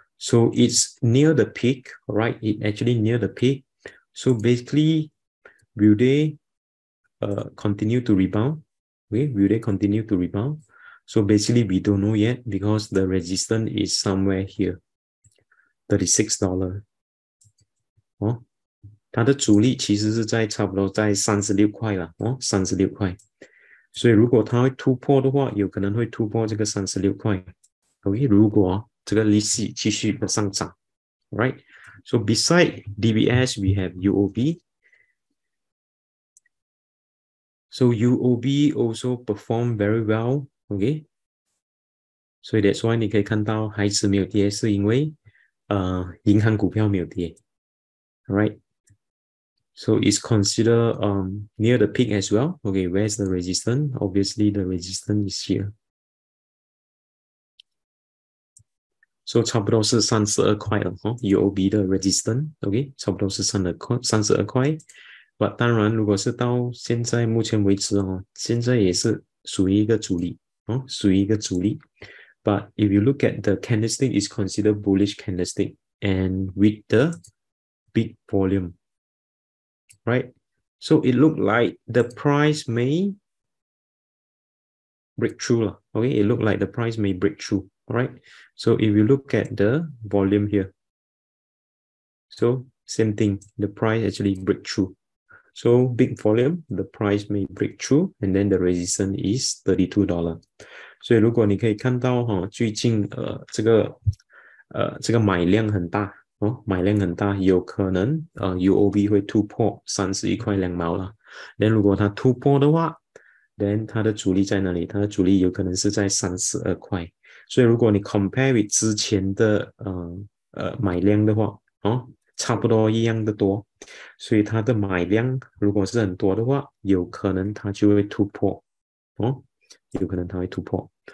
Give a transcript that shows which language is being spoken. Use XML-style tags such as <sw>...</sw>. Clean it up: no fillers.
<en>So it's near the peak, right? It actually near the peak. So basically, will they continue to rebound? Okay, will they continue to rebound? So basically, we don't know yet because the resistance is somewhere here, $36.</en> <zh>哦，它的阻力其实是在差不多在36块了，哦，36块。所以如果它会突破的话，有可能会突破这个36块。 OK，如果这个利息继续的上涨，right？</zh> <en>So beside DBS, we have UOB.</en> <zh>So UOB also perform very well, okay？所以</zh> <en>that's why</en> <zh>你可以看到还是没有跌，是因为银行股票没有跌，right？</zh> <en>So it's considered near the peak as well. Okay, where's the resistance? Obviously, the resistance is here.</en> <zh>就、so, 差不多是32块了哈、哦、，UOB 的 resistance，OK，、okay? 差不多是32块。 But 当然，如果是到现在目前为止哦，现在也是属于一个阻力哦，属于一个阻力。</zh> <en>But if you look at the candlestick, it's considered bullish candlestick and with the big volume，right？So it look like the price may break through 了，OK？It look like the price may break through。 Alright, so if you look at the volume here, so same thing, the price actually break through. So big volume, the price may break through, and then the resistance is $32.</en> <zh>所以如果你可以看到哈，最近这个买量很大哦，买量很大，有可能UOB 会突破31块2毛了。那如果它突破的话，then 它的阻力在哪里？它的阻力有可能是在32块。所以，如果你</zh> <en>compare with</en> <zh>之前的买量的话，哦，差不多一样的多，所以它的买量如果是很多的话，有可能它就会突破，哦，有可能它会突破。</zh>